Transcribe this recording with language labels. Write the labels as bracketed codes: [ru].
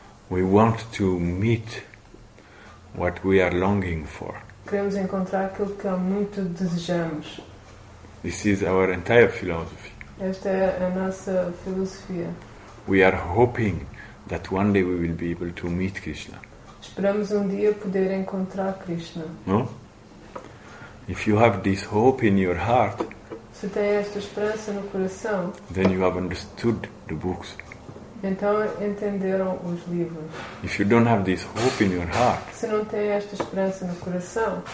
[en] We want to meet what we are longing for. [pt] Queremos encontrar aquilo que muito desejamos. [en] This is our entire philosophy. [pt] Esta é a nossa filosofia. [en] We are hoping that one day we will be able to meet Krishna. [pt] Esperamos dia poder encontrar Krishna. [en] No? If you have this hope in your heart, [pt] se tem esta esperança no coração, [en] then you have understood the books. [pt] Então entenderam os livros. [en] If you don't have this hope in your heart, [pt] se não tem esta esperança no coração,